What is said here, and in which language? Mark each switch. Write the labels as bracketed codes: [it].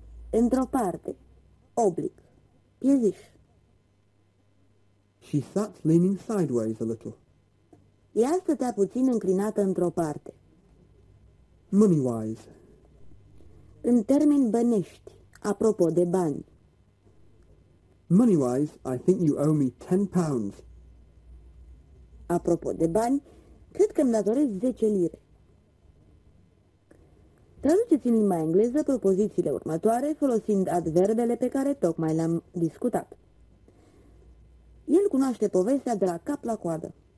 [ro] Într-o parte, oblic, pieziș. [en] She sat leaning sideways a little. [ro] Ea stătea puțin înclinată într-o parte. [en] Money-wise. [ro] În termeni bănești, apropo de bani. [en] Money-wise, I think you owe me 10 pounds. [ro] Apropo de bani, cred că îmi datorez 10 lire. Traduceți în limba engleză propozițiile următoare folosind adverbele pe care tocmai le-am discutat. El cunoaște povestea de la cap la coadă.